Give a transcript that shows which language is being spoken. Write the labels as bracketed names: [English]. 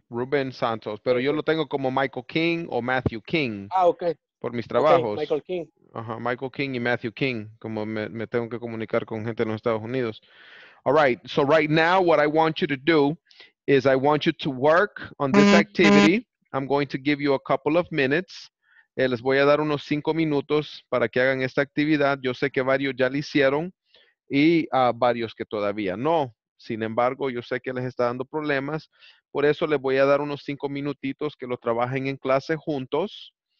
[Spanish] Ruben Santos, pero yo lo tengo como Michael King o Matthew King. Ah, ok. Por mis trabajos. [English] Okay, Michael King. [Spanish] Ajá, Michael King y Matthew King, como me tengo que comunicar con gente en los Estados Unidos. [English] All right, so right now what I want you to do is I want you to work on this activity. I'm going to give you a couple of minutes. [Spanish] Les voy a dar unos 5 minutos para que hagan esta actividad. Yo sé que varios ya la hicieron y varios que todavía no. Sin embargo, yo sé que les está dando problemas. Por eso les voy a dar unos 5 minutitos que lo trabajen en clase juntos.